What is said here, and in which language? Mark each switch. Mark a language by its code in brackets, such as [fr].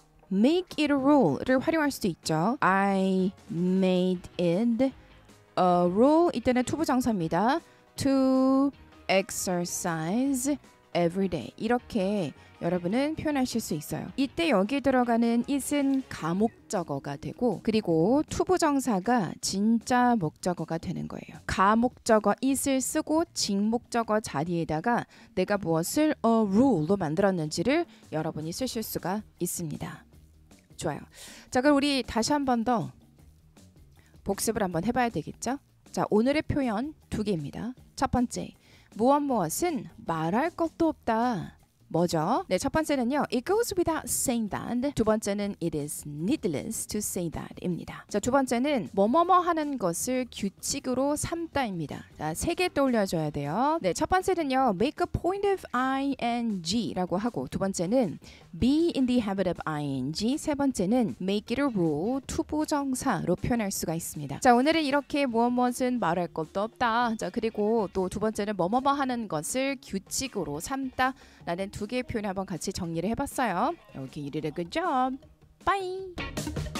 [en] make it a rule [ko] 를 활용할 수도 있죠. [en] I made it a rule [ko] 이때는 투부정사입니다. [en] to exercise every day [ko] 이렇게 여러분은 표현하실 수 있어요. 이때 여기 들어가는 is은 가목적어가 되고 그리고 투부정사가 진짜 목적어가 되는 거예요. 가목적어 is을 쓰고 직목적어 자리에다가 내가 무엇을 a rule로 만들었는지를 여러분이 쓰실 수가 있습니다. 좋아요. 자, 그럼 우리 다시 한 번 더 복습을 한번 해봐야 되겠죠? 자, 오늘의 표현 두 개입니다. 첫 번째, 무엇무엇은 말할 것도 없다. 뭐죠? 네, 첫 번째는요. [en] It goes without saying that. [ko] 두 번째는 [en] It is needless to say that [ko] 입니다. 자, 두 번째는 뭐뭐뭐 하는 것을 규칙으로 삼다입니다. 자, 세 개 떠올려줘야 돼요. 네, 첫 번째는요. [en] Make a point of ing [ko] 라고 하고 두 번째는 [en] Be in the habit of ing [ko] 세 번째는 [en] Make it a rule [ko] 투부정사로 표현할 수가 있습니다. 자, 오늘은 이렇게 무엇무엇은 말할 것도 없다. 자, 그리고 또 두 번째는 뭐뭐뭐 하는 것을 규칙으로 삼다 라는 두 개의 표현을 한번 같이 정리를 해봤어요. 여기 [en] you did a good job. Bye!